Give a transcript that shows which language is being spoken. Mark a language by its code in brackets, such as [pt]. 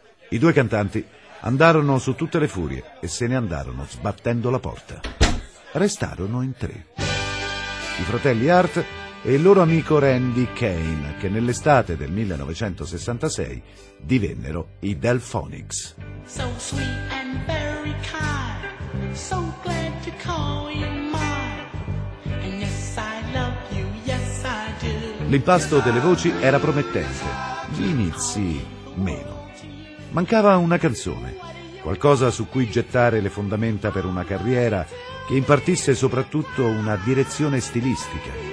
[it] I 2 cantanti andarono su tutte le furie e se ne andarono sbattendo la porta. Restarono in 3. I fratelli Hart e il loro amico Randy Kane, che nell'estate del 1966 divennero i Delphonics. [en] So sweet and very kind, so glad to call you mine. And yes, I love you, yes, I do. [it] L'impasto delle voci era promettente, gli inizi meno. Mancava una canzone, qualcosa su cui gettare le fondamenta per una carriera che impartisse soprattutto una direzione stilistica.